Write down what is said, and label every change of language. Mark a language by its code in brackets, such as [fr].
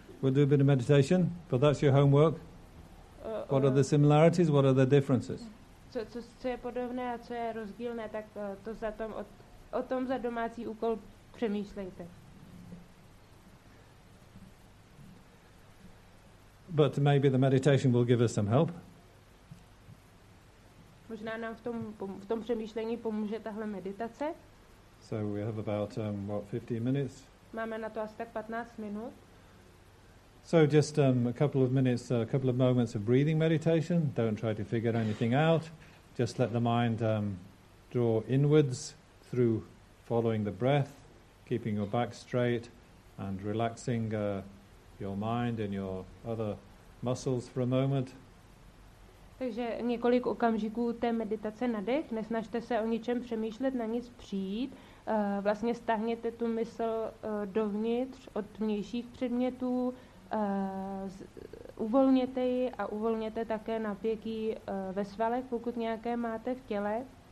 [en] We'll do a bit of meditation, but that's your homework. What are the similarities? What are the differences? [cs] Co je podobné a co je rozdílné, tak to za tom, o tom za domácí úkol přemýšlejte. [en] But maybe the meditation will give us some help. [cs] Možná nám v tom přemýšlení pomůže tahle meditace. [en] So we have about 15 minutes. [cs] Máme na to asi tak 15 minut. [en] So just a couple of minutes, a couple of moments of breathing meditation. Don't try to figure anything out. Just let the mind draw inwards through following the breath, keeping your back straight and relaxing your mind and your other muscles for a moment. [cs] Takže několik okamžiků té meditace na dech, nesnažte se o ničem přemýšlet, na nic přijít. Vlastně stáhněte tu mysl dovnitř od vnějších předmětů, uvolněte ji a uvolněte také napětí ve svalech, pokud nějaké máte v těle.